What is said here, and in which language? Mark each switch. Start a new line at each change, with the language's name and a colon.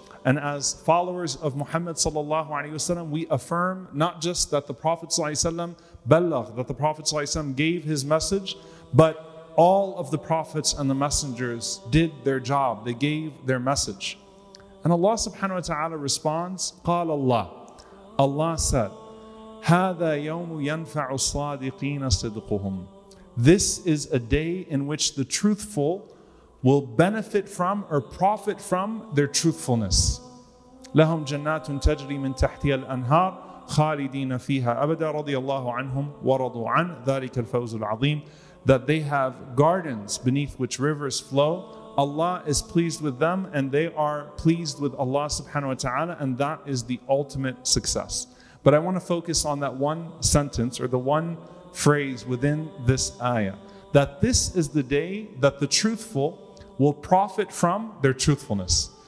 English: And as followers of Muhammad sallallahu alayhi wasallam, we affirm not just that the Prophet sallallahu alayhi wasallam ballagh, that the Prophet sallallahu alayhi wasallam gave his message, but all of the prophets and the messengers did their job. They gave their message. And Allah subhanahu wa ta'ala responds,
Arabic: قال الله.
English: Allah said,
Arabic: هذا يوم ينفع الصادقين صدقهم.
English: This is a day in which the truthful will benefit from or profit from their truthfulness.
Arabic: لهم جنات تجري من تحتها الأنهار خالدين فيها أبدا رضي الله عنهم ورضوا عن ذلك الفوز العظيم.
English: That they have gardens beneath which rivers flow. Allah is pleased with them and they are pleased with Allah subhanahu wa ta'ala, and that is the ultimate success. But I want to focus on that one sentence or the one phrase within this ayah, that this is the day that the truthful will profit from their truthfulness.